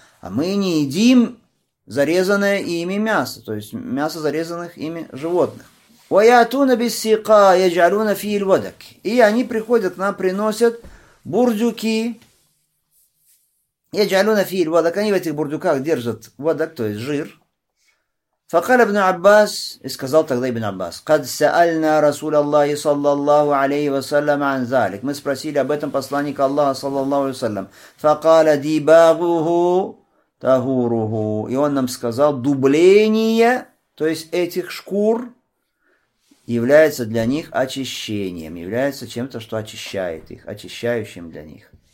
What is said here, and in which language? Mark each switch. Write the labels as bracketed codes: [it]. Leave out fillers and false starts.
[ru] А мы не едим зарезанное ими мясо, то есть мясо зарезанных ими животных. [ar] وَيَأْتُونَ بِالسِّقَى يَجْعَلُونَ فِيهِ الْوَدَكِ. [ru] И они приходят к нам, приносят бурдюки. [ar] يَجْعَلُونَ فِيهِ الْوَدَكِ. [ru] Они в этих бурдюках держат водок, то есть жир. [ar] فقال ابن عباس [ru] и сказал тогда [ar] ابن عباس قد سألنا رسول الله صلى الله عليه وسلم عن ذلك. [ru] Мы спросили об этом посланника Аллаха صلى الله عليه وسلم. [ar] فقال دباغه تهوره. [ru] И он нам сказал, дубление, то есть этих шкур, является для них очищением, является чем-то, что очищает их, очищающим для них.